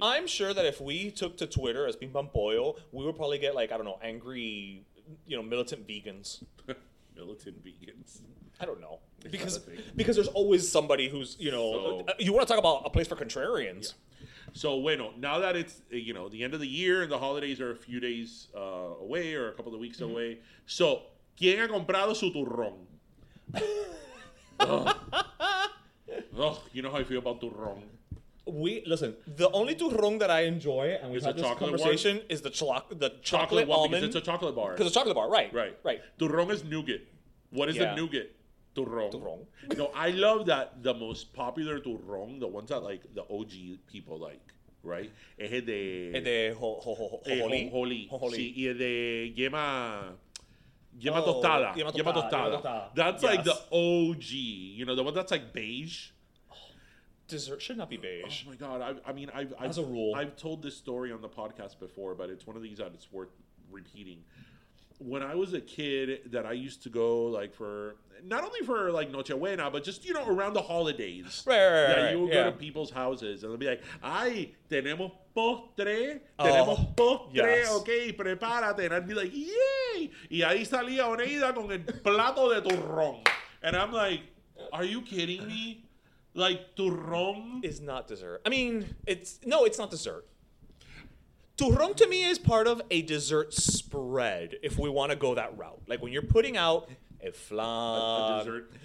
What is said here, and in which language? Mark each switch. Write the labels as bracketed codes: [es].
[en] I'm sure that if we took to Twitter as Bing Bum Boyle, we would probably get, like, I don't know, angry, you know, militant vegans. Militant vegans. I don't know. Because there's always somebody who's, you know, so, you want to talk about a place for contrarians. Yeah. So, bueno, now that it's, you know, the end of the year and the holidays are a few days away or a couple of weeks away. [es] So, ¿quién ha comprado su turrón? [en] Ugh, you know how I feel about turrón. Listen, the only turrón that I enjoy, and we've had this conversation, is the chocolate one, almond. Because it's a chocolate bar. Because it's a chocolate bar, right. Right. Right. Turrón is nougat. What is the nougat? Turrón. Turrón. No, I love that the most popular turrón, the ones that, like, the OG people like, [es] right? Es el de... El de jojolí. Sí, y el de yema... Yema tostada. Yema tostada. [en] That's like the OG. You know, the one that's like beige. Dessert should not be beige. Oh my God. I mean, as a rule. I've told this story on the podcast before, but it's one of these that it's worth repeating. When I was a kid that I used to go like for, not only for like Noche Buena, but just, you know, around the holidays. Right. You would go to people's houses and they'll be like, [es] ay, tenemos postre. Tenemos postre. [en] Yes. Okay, prepárate. And I'd be like, yay. [es] Y ahí salía Oneida con el plato de turrón. [en] And I'm like, are you kidding me? Like, turrón is not dessert. I mean, it's not dessert. Turrón to me is part of a dessert spread, if we want to go that route. Like, when you're putting out a flan,